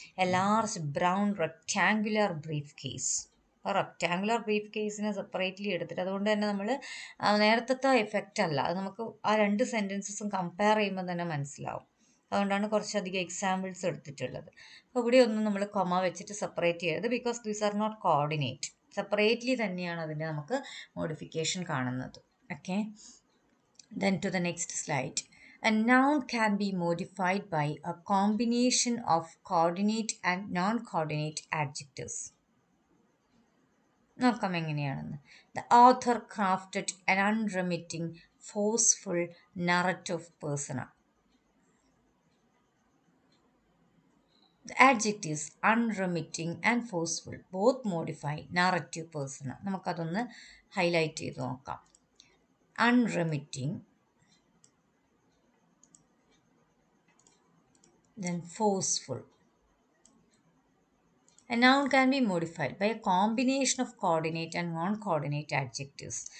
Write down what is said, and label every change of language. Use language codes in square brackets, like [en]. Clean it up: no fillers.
[en] A large brown rectangular briefcase. [ml] അപ്പോൾ rectangular brief കേസിനെ separately എടുത്തിട്ട്, അതുകൊണ്ട് തന്നെ നമ്മൾ നേരത്തെ എഫക്റ്റ് അല്ല, അത് നമുക്ക് ആ രണ്ട് സെൻറ്റൻസസും കമ്പയർ ചെയ്യുമ്പോൾ തന്നെ മനസ്സിലാവും. അതുകൊണ്ടാണ് കുറച്ചധികം എക്സാമ്പിൾസ് എടുത്തിട്ടുള്ളത്. അപ്പോൾ ഇവിടെയൊന്നും നമ്മൾ കൊമ വെച്ചിട്ട് സെപ്പറേറ്റ് ചെയ്യരുത്, [en] Because these are not coordinate. [ml] Separately തന്നെയാണ് അതിൻ്റെ നമുക്ക് മോഡിഫിക്കേഷൻ കാണുന്നത്. [en] Okay, then to the next slide. A noun can be modified by a combination of coordinate and non-coordinate adjectives. [ml] നോക്കാം എങ്ങനെയാണെന്ന്. [en] The author crafted an unremitting forceful narrative persona. Adjectives unremitting and forceful both modify narrative persona. [ml] നമുക്കതൊന്ന് highlight ചെയ്ത് നോക്കാം. [en] Unremitting then forceful. A noun can be modified by a combination of coordinate and non-coordinate adjectives.